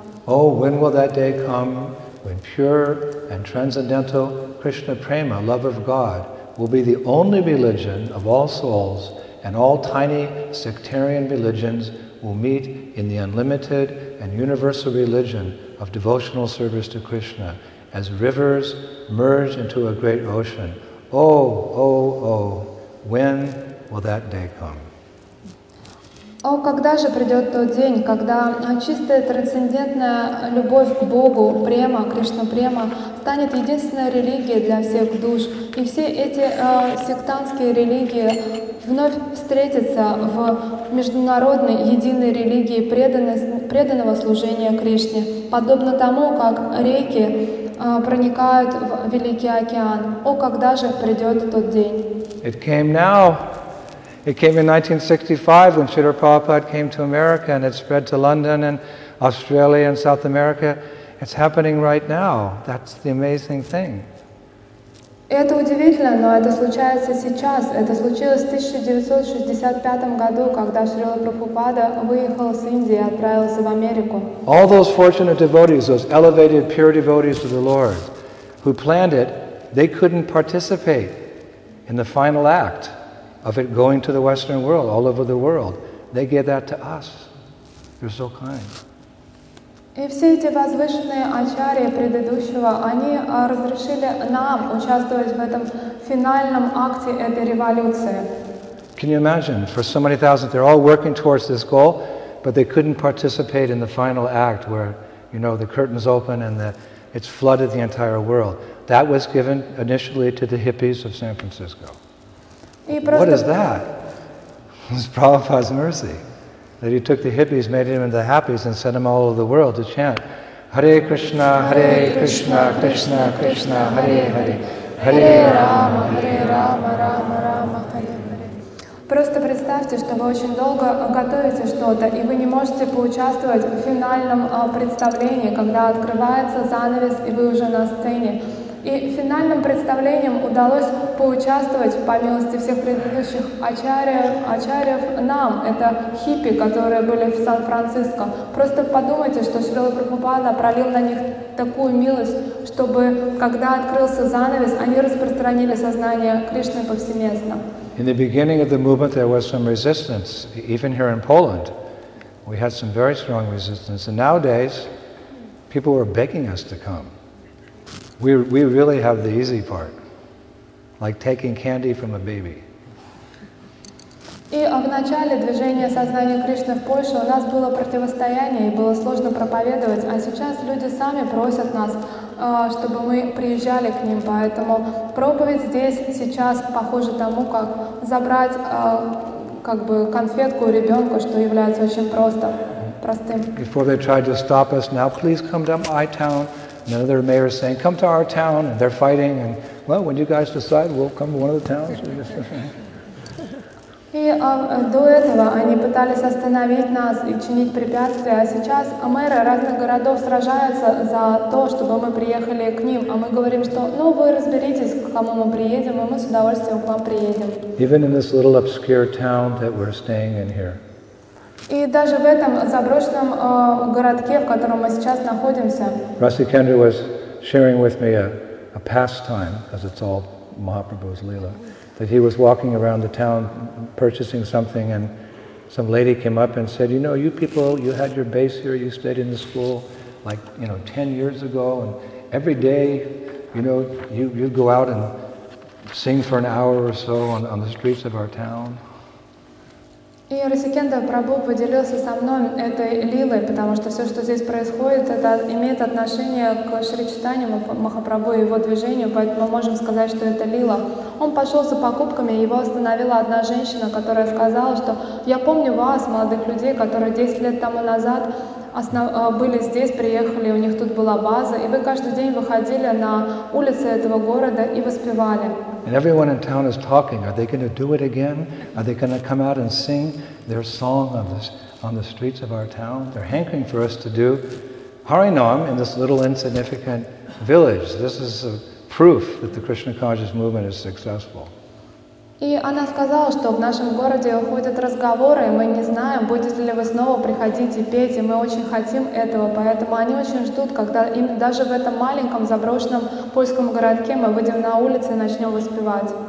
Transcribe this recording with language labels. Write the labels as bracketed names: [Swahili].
[English] Oh, when will that day come when pure and transcendental Krishna prema, love of God, will be the only religion of all souls, and all tiny sectarian religions will meet in the unlimited and universal religion of devotional service to Krishna, as rivers merge into a great ocean. Oh, oh, oh, when will that day come? [Russian] О, когда же придет тот день, когда чистая трансцендентная любовь к Богу, према, Кришна-према, станет единственной религией для всех душ, и все эти сектантские религии вновь встретятся в международной единой религии преданного служения Кришне, подобно тому, как реки проникают в Великий океан. О, когда же придет тот день? [English] It came now. It came in 1965 when Srila Prabhupada came to America and it spread to London and Australia and South America. It's happening right now. That's the amazing thing. [Russian] Это удивительно, но это случается сейчас. Это случилось в 1965 году, когда Шрила Прабхупада выехал с Индии и отправился в Америку. [English] All those fortunate devotees, those elevated pure devotees to the Lord who planned it, they couldn't participate in the final act of it going to the Western world, all over the world. They gave that to us. They're so kind. [Russian] И все эти возвышенные ачарьи предыдущего, они разрешили нам участвовать в этом финальном акте этой революции. [English] Can you imagine? For so many thousands, they're all working towards this goal, but they couldn't participate in the final act where, you know, the curtains open and it's flooded the entire world. That was given initially to the hippies of San Francisco. What is that? It's Prabhupada's mercy. That he took the hippies, made them into the happies, and sent them all over the world to chant, Hare Krishna, Krishna Krishna, Hare Hare, Hare Rama, Hare Rama, Rama Rama, Hare Hare. [Russian] Просто представьте, что вы очень долго готовите что-то, и вы не можете поучаствовать в финальном представлении, когда открывается занавес, и вы уже на сцене. И финальным представлением удалось поучаствовать, по милости всех предыдущих ачарьев, нам, это хиппи, которые были в Сан-Франциско. Просто подумайте, что Шрила Прабхупада пролил на них такую милость, чтобы, когда открылся занавес, они распространили сознание Кришны повсеместно. [English] In the beginning of the movement there was some resistance, even here in Poland. We had some very strong resistance, and nowadays people were begging us to come. We really have the easy part, like taking candy from a baby. [Russian] И в начале движения сознания Кришны в Польше у нас было противостояние, и было сложно проповедовать, а сейчас люди сами просят нас, чтобы мы приезжали к ним, поэтому проповедь здесь сейчас похожа тому, как забрать как бы конфетку у ребенка, что является очень просто, простым. [English] Before they tried to stop us, now please come to my town. Another mayor is saying, come to our town, and they're fighting, and well, when you guys decide, we'll come to one of the towns. [Russian] И до этого они пытались остановить нас и чинить препятствия, а сейчас мэры разных городов сражаются за то, чтобы мы приехали к ним, а мы говорим, что ну вы разберитесь, к кому мы приедем, и мы с удовольствием к вам приедем. [English] Even in this little obscure town that we're staying in here. [Russian] И даже в этом заброшенном городке, в котором мы сейчас находимся. [English] Rasikendra was sharing with me a pastime, as it's all Mahaprabhu's lila. That he was walking around the town purchasing something and some lady came up and said, you know, you people, you had your base here, you stayed in the school like, you know, 10 years ago and every day, you know, you go out and sing for an hour or so on the streets of our town. [Russian] И Расикенда Прабху поделился со мной этой лилой, потому что все, что здесь происходит, это имеет отношение к Шри Чайтанью Махапрабху и его движению, поэтому мы можем сказать, что это лила. Он пошел за покупками, и его остановила одна женщина, которая сказала, что я помню вас, молодых людей, которые 10 лет тому назад были здесь, приехали, у них тут была база, и вы каждый день выходили на улицы этого города и воспевали. [English] And everyone in town is talking. Are they going to do it again? Are they going to come out and sing their song on the streets of our town? They're hankering for us to do Harinam in this little insignificant village. This is a proof that the Krishna conscious movement is successful. [Russian] И она сказала, что в нашем городе ходят разговоры, и мы не знаем, будете ли вы снова приходить и петь, и мы очень хотим этого, поэтому они очень ждут, когда им даже в этом маленьком заброшенном польском городке мы выйдем на улицу и начнем воспевать.